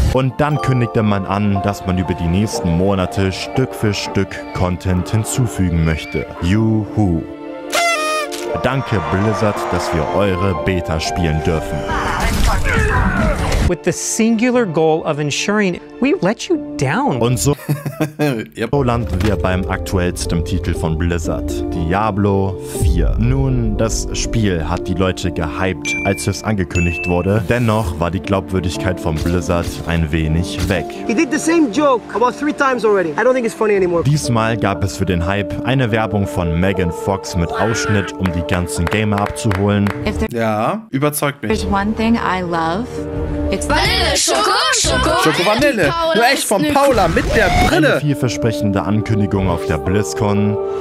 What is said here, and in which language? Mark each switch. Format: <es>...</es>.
<de>Und dann kündigte man an, dass man über die nächsten Monate Stück für Stück Content hinzufügen möchte. Juhu. Danke, Blizzard, dass wir eure Beta spielen dürfen.</de> <en>With the singular goal of ensuring we let you down.</en> <de>Und so, yep. So landen wir beim aktuellsten Titel von Blizzard, Diablo 4. Nun, das Spiel hat die Leute gehypt, als es angekündigt wurde. Dennoch war die Glaubwürdigkeit von Blizzard ein wenig weg.</de> <en>He did the same joke about 3 times already. I don't think it's funny anymore.</en> <de>Diesmal gab es für den Hype eine Werbung von Megan Fox mit Ausschnitt, um die ganzen Gamer abzuholen. Ja, überzeugt mich.</de> <en>There's one thing I love.</en> <de>Vanille, Schoko, Schoko, Vanille. Du echt von Paula mit der Brille. Eine vielversprechende Ankündigung auf der BlizzCon.</de>